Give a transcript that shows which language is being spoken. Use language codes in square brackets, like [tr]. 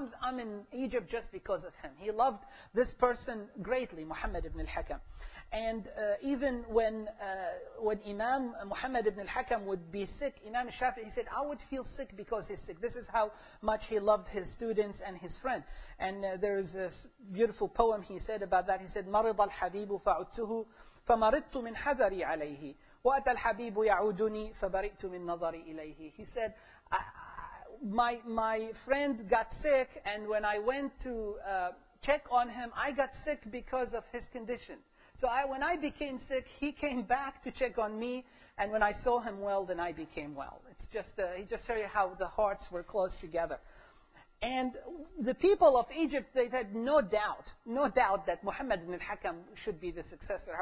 [en] I'm in Egypt just because of him. He loved this person greatly, Muhammad ibn al-Hakam. And even when Imam Muhammad ibn al-Hakam would be sick, Imam al-Shafi'i, he said, I would feel sick because he's sick. This is how much he loved his students and his friend. And there is a beautiful poem he said about that. He said, [ar] مَرِضَ الْحَبِيبُ فَعُدْتُهُ فَمَرِدْتُ مِنْ حَذَرِي عَلَيْهِ وَأَتَى الْحَبِيبُ يَعُودُنِي فَبَرِئْتُ مِنْ نَظَرِي إِلَيْهِ. [en] He said, my friend got sick, and when I went to check on him, I got sick because of his condition. So when I became sick, he came back to check on me, and when I saw him well, then I became well. It's just he just showed you how the hearts were close together. And the people of Egypt, they had no doubt that Muhammad ibn al-Hakam should be the successor.